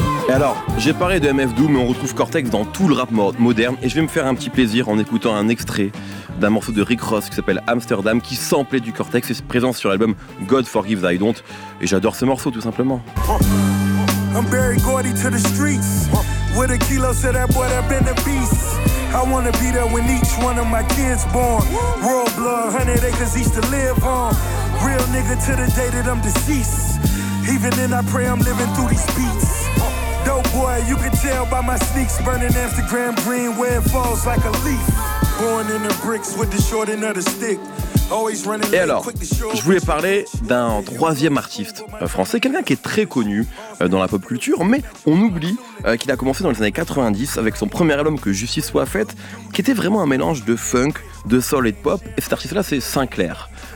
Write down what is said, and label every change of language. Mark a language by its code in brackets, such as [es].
[fr] Alors, j'ai parlé de MF Doom, mais on retrouve Cortex dans tout le rap moderne, et je vais me faire un petit plaisir en écoutant un extrait d'un morceau de Rick Ross qui s'appelle Amsterdam, qui samplait du Cortex et se présente sur l'album God Forgives I Don't, et j'adore ce morceau tout simplement. [en] I'm Barry Gordy to the streets, with a kilo so that boy that been a beast. I wanna be there when each one of my kids born. World blood, 100 acres each to live on. Real nigga to the day that I'm deceased. Even then I pray I'm living through these beats. Yo boy, you can tell by my sneaks burning Instagram green where it falls like a leaf. Born in the bricks with the short end of the stick. [fr] Et alors, je voulais parler d'un troisième artiste français, quelqu'un qui est très connu dans la pop culture, mais on oublie qu'il a commencé dans les années 90 avec son premier album Que Justice Soit Faite, qui était vraiment un mélange de funk, de soul et de pop, et cet artiste-là c'est Sinclair.